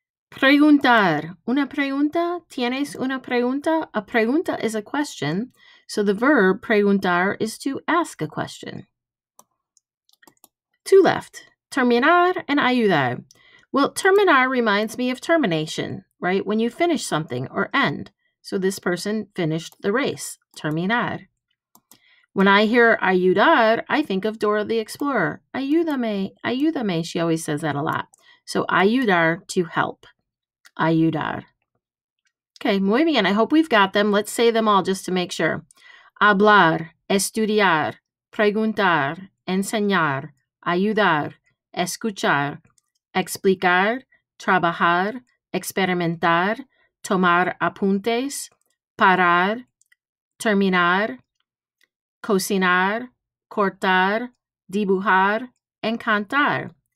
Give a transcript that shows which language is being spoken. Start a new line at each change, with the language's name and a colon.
Spanish: Preguntar, una pregunta, tienes una pregunta?
English: A pregunta is a question. So the verb preguntar is to ask a question. Two left, terminar and ayudar. Well, terminar reminds me of termination, right? When you finish something or end. So this person finished the race, terminar. When I hear ayudar, I think of Dora the Explorer.
Spanish: Ayúdame, ayúdame,
English: she always says that a lot. So ayudar, to help, ayudar. Okay,
Spanish: muy bien,
English: I hope we've got them. Let's say them all just to make sure.
Spanish: Hablar, estudiar, preguntar, enseñar, ayudar, escuchar, explicar, trabajar, experimentar, tomar apuntes, parar, terminar, cocinar, cortar, dibujar, and cantar.